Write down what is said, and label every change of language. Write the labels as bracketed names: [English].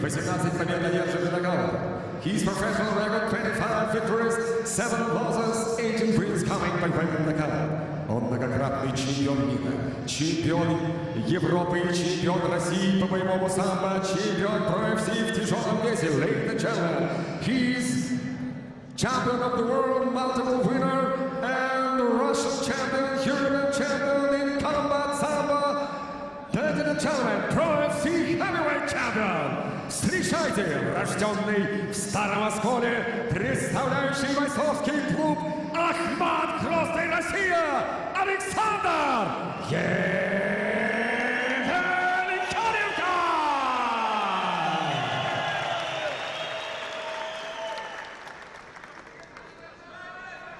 [Russian] 18 побед одержит на голову. [English] His professional record 25 victories. 7 losses. 18 wins coming by way of knockout. [Russian] Он многократный чемпион мира, чемпион Европы, чемпион России по боевому самбо, чемпион Pro FC в тяжелом весе. [English] Ladies and gentlemen, he is champion of the world, multiple winner, and Russian champion, European champion in combat samba. Ladies and gentlemen, Pro FC heavyweight champion. [Russian] Встречайте, рожденный в Старом Осколе, представляющий бойцовский клуб Ахмат Грозный Россия, Александр Емельяненко!